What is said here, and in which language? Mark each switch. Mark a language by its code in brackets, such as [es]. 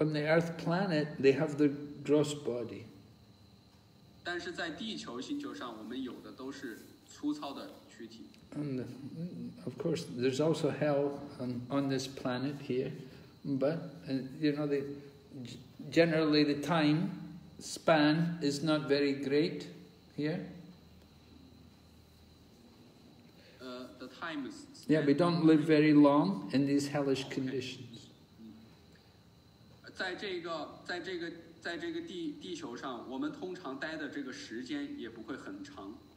[en] on the earth planet, they have the gross body. [zh] 但是在地球星球上，我们有的都是粗糙的躯体。 [en] And of course, there's also hell on this planet here, but you know the generally the time. Span is not very great here. The time is. Yeah, we don't live very long in these hellish conditions. [zh] 在这个地球上, 我们通常待的这个时间也不会很长。